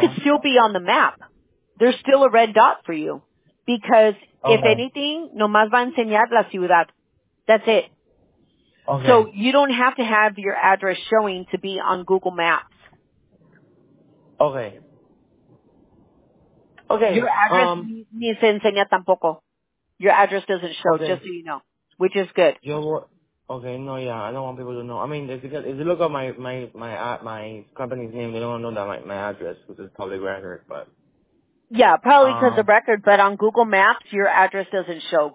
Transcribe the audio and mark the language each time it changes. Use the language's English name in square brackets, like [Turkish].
[English] could still be on the map. There's still a red dot for you. Because okay. if anything, [Spanish] nomás va a enseñar la ciudad. [English] That's it. Okay. So you don't have to have your address showing to be on Google Maps. Okay. Okay. Your address [Spanish] ni se enseña tampoco. [English] Your address doesn't show, okay. just so you know. Which is good. Okay, no, yeah, I don't want people to know. I mean, if you look up my company's name, they don't know that my address, which is public record, but. Yeah, probably because of record, but on Google Maps, your address doesn't show.